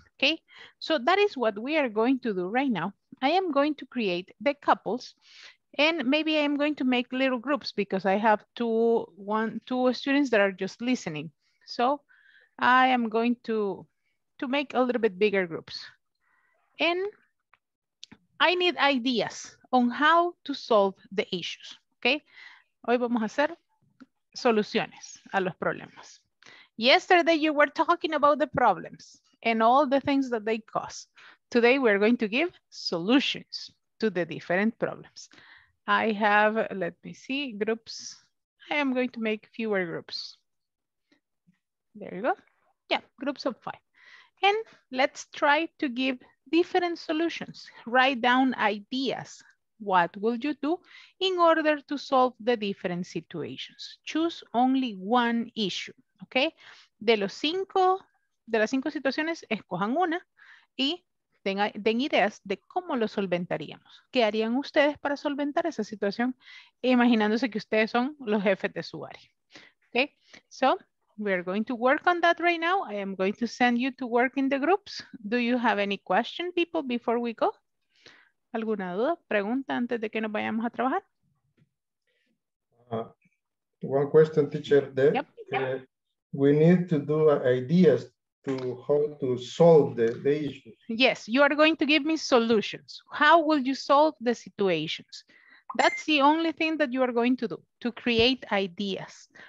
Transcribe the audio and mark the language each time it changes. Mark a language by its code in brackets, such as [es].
[en] Okay, so that is what we are going to do right now. I am going to create the couples and maybe I am going to make little groups because I have two students that are just listening. So I am going to make a little bit bigger groups. And I need ideas on how to solve the issues, okay? [es] Hoy vamos a hacer soluciones a los problemas. [en] Yesterday you were talking about the problems and all the things that they cause. Today we're going to give solutions to the different problems. I have, let me see, groups. I am going to make fewer groups. There you go. Yeah, groups of five. And let's try to give different solutions. Write down ideas. What will you do in order to solve the different situations? Choose only one issue, okay? [es] De los cinco, de las cinco situaciones, escojan una y den ideas de cómo lo solventaríamos. ¿Qué harían ustedes para solventar esa situación? Imaginándose que ustedes son los jefes de su área, okay? [en] So, we are going to work on that right now. I am going to send you to work in the groups. Do you have any question, people, before we go? ¿Alguna duda, pregunta antes de que nos vayamos a trabajar? One question, teacher. Yep. We need to do ideas to how to solve the issue. Yes, you are going to give me solutions. How will you solve the situations? That's the only thing that you are going to do, to create ideas.